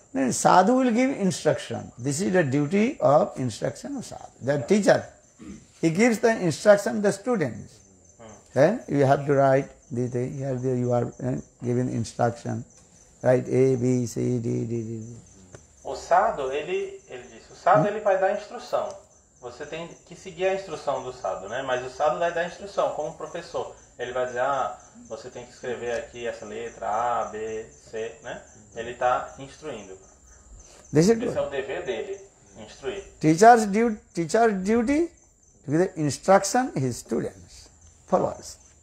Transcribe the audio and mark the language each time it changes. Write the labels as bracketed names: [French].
[English] Then sadhu will give instruction. This is the duty of instruction of sadhu. The teacher, he gives the instruction to the students. You have to write this thing. Here you are given instruction. Write A, B, C, D, D, D, D. [Portuguese] O sadhu, ele disse, o sadhu ele vai dar instrução. Você tem que seguir a instrução do sadhu, né? Mas o sadhu vai dar instrução, como professor. Ele vai dizer: "Ah, você tem que escrever aqui essa letra A, B, C", né? Ele está instruindo. [English] This is [Portuguese] Esse é [English] good. [Portuguese] o dever dele, instruir. [English] Teacher's duty to give the instruction his students, followers.